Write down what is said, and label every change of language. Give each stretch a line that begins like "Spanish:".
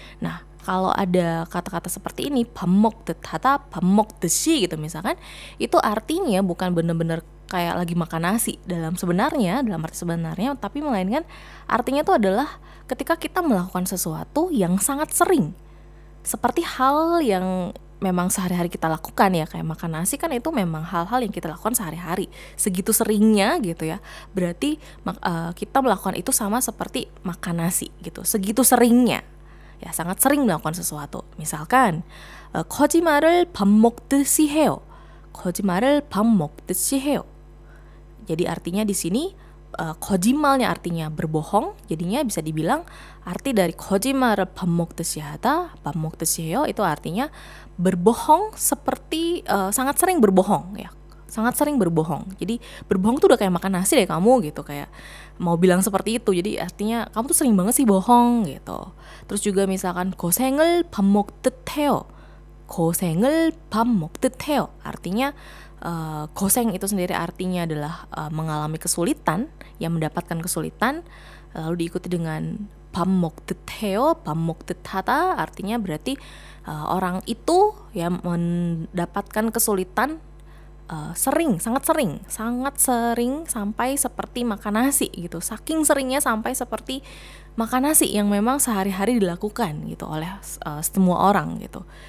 Indonesian: Nah, kalau ada kata-kata seperti ini, pamok tetata, pamok desi gitu misalkan, itu artinya bukan benar-benar kayak lagi makan nasi dalam arti sebenarnya, tapi melainkan artinya itu adalah ketika kita melakukan sesuatu yang sangat sering, seperti hal yang memang sehari-hari kita lakukan ya, kayak makan nasi kan itu memang hal-hal yang kita lakukan sehari-hari, segitu seringnya gitu ya, berarti kita melakukan itu sama seperti makan nasi gitu, segitu seringnya. Ya, sangat sering melakukan sesuatu.
Korean: Misalkan, 거짓말을 밥 먹듯이 해요. 거짓말을 밥 먹듯이 해요.
Indonesian: Jadi artinya di sini, 거짓말nya artinya berbohong. Jadinya bisa dibilang, arti dari
Korean: 거짓말을 밥 먹듯이 하다, 밥 먹듯이 해요,
Indonesian: itu artinya berbohong seperti, sangat sering berbohong. Ya. Sangat sering berbohong. Jadi berbohong tuh udah kayak makan nasi deh kamu gitu, kayak mau bilang seperti itu. Jadi artinya kamu tuh sering banget sih bohong gitu. Terus juga misalkan
Korean: 고생을 밥 먹듯 해요. 고생을 밥 먹듯 해요.
Indonesian: Artinya 고생 itu sendiri artinya adalah mengalami kesulitan, yang mendapatkan kesulitan, lalu diikuti dengan
Korean: 밥 먹듯 해요, 밥 먹듯 하다,
Indonesian: artinya berarti orang itu yang mendapatkan kesulitan sangat sering sampai seperti makan nasi gitu, saking seringnya sampai seperti makan nasi yang memang sehari-hari dilakukan gitu oleh semua orang gitu.